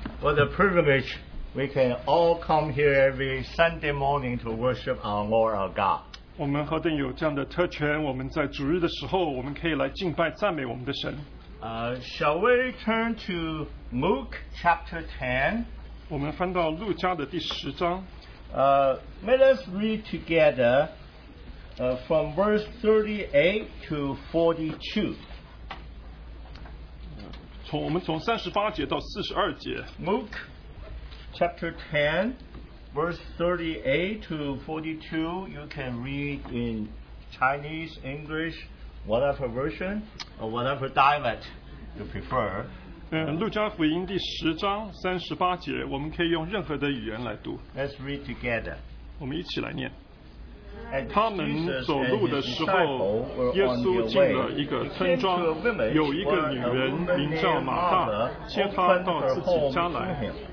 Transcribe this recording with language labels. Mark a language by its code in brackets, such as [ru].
[en] What a privilege we can all come here every Sunday morning to worship our Lord our God. [zh] 我们何等有这样的特权，我们在主日的时候，我们可以来敬拜赞美我们的神。 [en] Shall we turn to Luke chapter 10? [zh] 我们翻到路加的第十章。 [en] Let us read together from verse 38 to 42. [zh] 我们从三十八节到四十二节。 [en] Luke chapter 10, verse 38 to 42, you can read in Chinese, English, whatever version, or whatever dialect you prefer. [zh] 路加福音第十章三十八节，我们可以用任何的语言来读。 [en] Let's read together. [zh] 我们一起来念。他们走路的时候，耶稣进了一个村庄，有一个女人名叫马大，接他到自己家来。